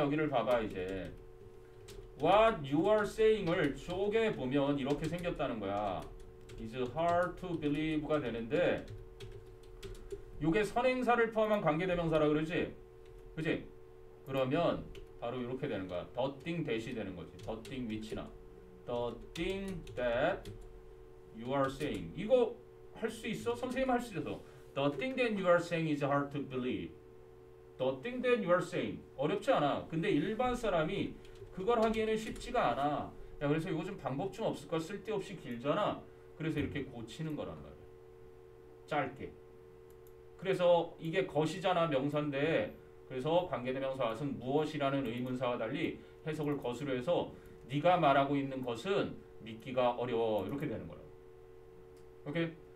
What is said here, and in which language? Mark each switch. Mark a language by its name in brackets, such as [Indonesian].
[Korean] 여기를 봐봐 이제. [English] What you are saying [Korean] 을 쪼개 보면 이렇게 생겼다는 거야. [English] Is hard to believe [Korean] 가 되는데 이게 선행사를 포함한 관계대명사라 그러지? 그렇지? 그러면 바로 이렇게 되는 거야. [English] The thing that이 [Korean] 되는 거지. [English] The thing which나 The thing that you are saying. [Korean] 이거 할 수 있어? 선생님 할 수 있어. [English] The thing that you are saying is hard to believe. The thing that you are saying. [Korean] 어렵지 않아. 근데 일반 사람이 그걸 하기에는 쉽지가 않아. 야, 그래서 요즘 방법 좀 없을까? 쓸데없이 길잖아. 그래서 이렇게 고치는 거란 말이야. 짧게. 그래서 이게 것이잖아 명사인데, 그래서 관계대명사는 무엇이라는 의문사와 달리 해석을 거수로 해서 네가 말하고 있는 것은 믿기가 어려워 이렇게 되는 거예요. 오케이.